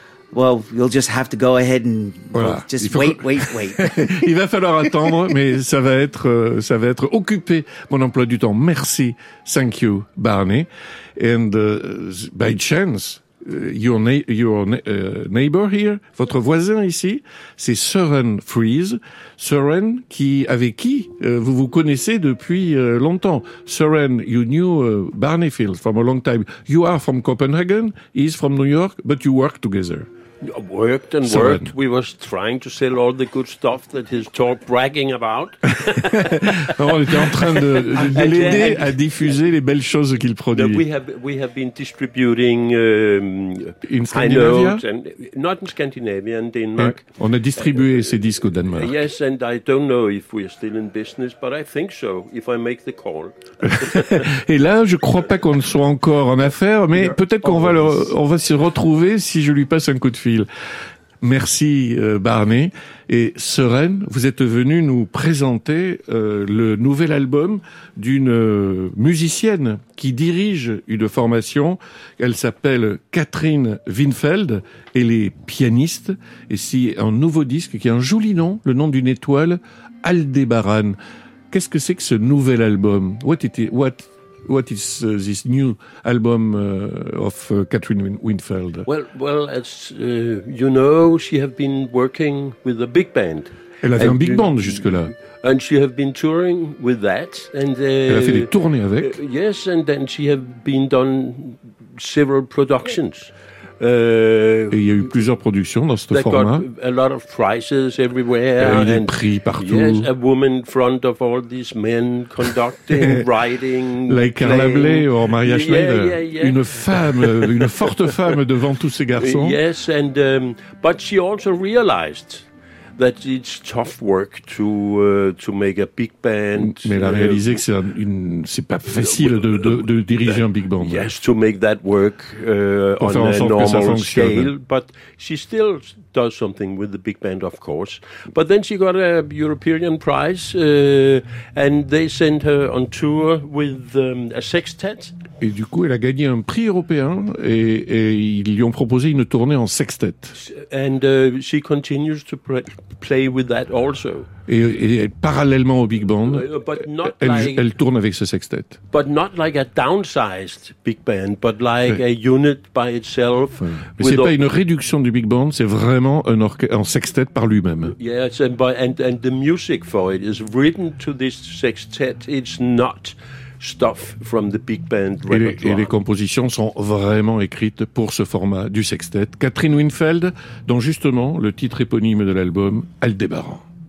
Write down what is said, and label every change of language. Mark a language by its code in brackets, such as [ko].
[en] Well, you'll just have to go ahead and wait. [fr] Il va falloir attendre, mais ça va être occupé mon emploi du temps. Merci, [en] thank you, Barney, and by chance. Your neighbor here, [fr] votre voisin ici, c'est Søren Friis. Søren, avec qui vous vous connaissez depuis longtemps. [en] Søren, you knew Barney Fields from a long time. You are from Copenhagen, he's from New York, but you work together. Worked and Søren. Worked. We were trying to sell all the good stuff that he's talking bragging about. [fr] On était en train de l'aider à diffuser les belles choses qu'il produit. [en] We have been distributing in Scandinavia, and not in Scandinavia, in Denmark. [fr] On a distribué ces disques au Danemark. [en] Yes, and I don't know if we are still in business, but I think so. If I make the call. [fr] Et là, je ne crois pas qu'on soit encore en affaire, mais [en] you're [fr] peut-être qu'on va on va se retrouver si je lui passe un coup de fil. Merci Barney. Et Søren, vous êtes venu nous présenter le nouvel album d'une musicienne qui dirige une formation. Elle s'appelle Catherine Winfeld. Elle est pianiste. Et c'est un nouveau disque qui a un joli nom, le nom d'une étoile, Aldebaran. Qu'est-ce que c'est que ce nouvel album? [en] What is this new album of Catherine Winfeld? Well, as you know, she have been working with a big band. [fr] Elle avait un big band jusque-là. [en] And she have been touring with that. And [fr] elle a fait des tournées avec. [en] Yes, and then she have been done several productions. [fr] Et il y a eu plusieurs productions dans ce format. [en] Got a lot of prizes everywhere. [fr] Il y a eu des prix partout. [en] Yes, a woman in front of all these men conducting, writing, like Carla Bley or Maria Schneider. Yeah, yeah, yeah. [fr] Une femme, une forte femme devant tous ces garçons. [en] Yes, and but she also realized that it's tough work to make a big band. [fr] Mais elle a réalisé que c'est pas facile de diriger un big band. [en] Yes, to make that work on a normal scale. But she still does something with the big band, of course. But then she got a European prize, and they sent her on tour with a sextet. [fr] Et du coup, elle a gagné un prix européen et ils lui ont proposé une tournée en sextet. [en] And she continues to play with that also. [fr] Et parallèlement au big band, elle tourne avec ce sextet. [en] But not like a downsized big band, but like a unit by itself. [fr] Ouais. Mais c'est pas une réduction du big band, c'est vraiment un sextet par lui-même. [en] Yes, and the music for it is written to this sextet. It's not stuff from the big band repertoire. [fr] Et les compositions sont vraiment écrites pour ce format du sextet. Catherine Winfield, dont justement le titre éponyme de l'album, Aldébaran.